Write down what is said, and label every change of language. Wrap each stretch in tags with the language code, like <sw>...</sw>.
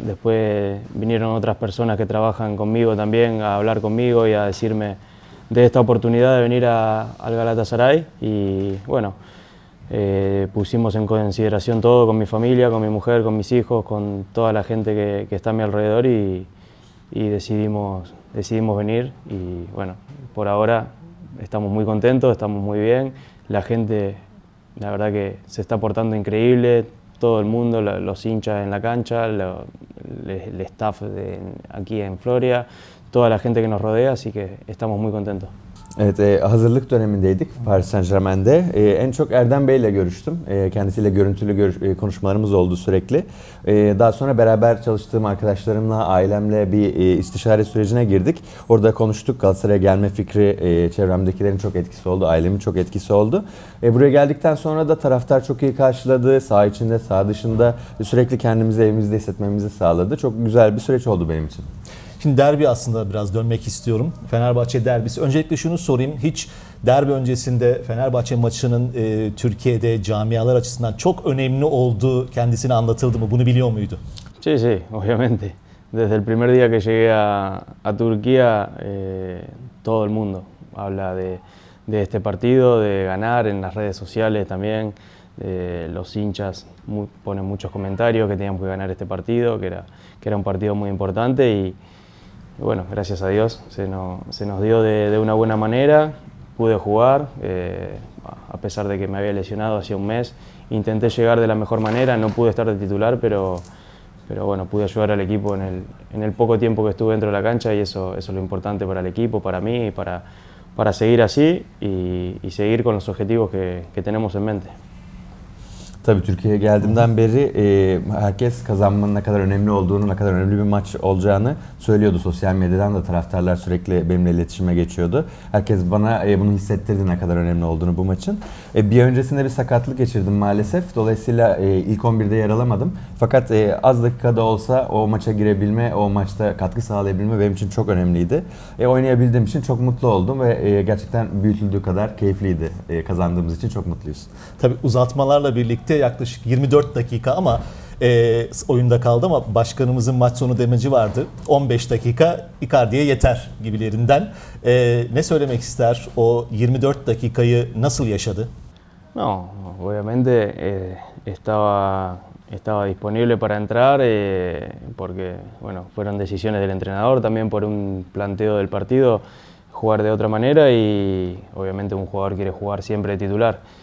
<es>Después vinieron otras personas que trabajan conmigo también a hablar conmigo y a decirme de esta oportunidad de venir al Galatasaray y bueno, pusimos en consideración todo con mi familia, con mi mujer, con mis hijos, con toda la gente que está a mi alrededor y decidimos venir y bueno, por ahora estamos muy contentos, estamos muy bien. La gente, la verdad que se está portando increíble, todo el mundo, los hinchas en la cancha, el staff aquí en Florida, toda la gente que nos rodea, así que estamos muy contentos.</es> <tr>Evet, hazırlık dönemindeydik Paris Saint-Germain'de. En çok Erdem Bey'le görüştüm. Kendisiyle görüntülü konuşmalarımız oldu sürekli. Daha sonra beraber çalıştığım arkadaşlarımla, ailemle bir istişare sürecine girdik. Orada konuştuk. Galatasaray'a gelme fikri çevremdekilerin çok etkisi oldu. Ailemin çok etkisi oldu. Buraya geldikten sonra da taraftar çok iyi karşıladı. Sağ içinde, sağ dışında sürekli kendimizi evimizde hissetmemizi sağladı. Çok güzel bir süreç oldu benim için. Şimdi derbi aslında biraz dönmek istiyorum. Fenerbahçe derbisi. Öncelikle şunu sorayım. Hiç derbi öncesinde Fenerbahçe maçının Türkiye'de camialar açısından çok önemli olduğu kendisine anlatıldı mı? Bunu biliyor muydu?</tr> <es>Sí, sí, obviamente. Desde el primer día que llegué a Turquía, todo el mundo habla de este partido, de ganar en las redes sociales también. Los hinchas ponen muchos comentarios que teníamos que ganar este partido, que era un partido muy importante y bueno, gracias a Dios se nos dio de una buena manera, pude jugar, a pesar de que me había lesionado hace un mes, intenté llegar de la mejor manera, no pude estar de titular, pero bueno, pude ayudar al equipo en el poco tiempo que estuve dentro de la cancha y eso es lo importante para el equipo, para mí y para seguir así y seguir con los objetivos que tenemos en mente.</es> <tr>Tabii Türkiye'ye geldiğimden beri herkes kazanmanın ne kadar önemli olduğunu, ne kadar önemli bir maç olacağını söylüyordu. Sosyal medyadan da taraftarlar sürekli benimle iletişime geçiyordu. Herkes bana bunu hissettirdi ne kadar önemli olduğunu bu maçın. Bir öncesinde bir sakatlık geçirdim maalesef. Dolayısıyla ilk 11'de yer alamadım. Fakat az dakikada olsa o maça girebilme, o maçta katkı sağlayabilme benim için çok önemliydi. Oynayabildiğim için çok mutlu oldum ve gerçekten büyütüldüğü kadar keyifliydi. Kazandığımız için çok mutluyuz. Tabii uzatmalarla birlikte yaklaşık 24 dakika ama oyunda kaldı ama başkanımızın maç sonu demeci vardı. 15 dakika Icardi'ye yeter gibilerinden. Ne söylemek ister? O 24 dakikayı nasıl yaşadı?</tr> <es>No, obviamente estaba disponible para entrar porque bueno, fueron decisiones del entrenador también por un planteo del partido jugar de otra manera y obviamente un jugador quiere jugar siempre titular.</es>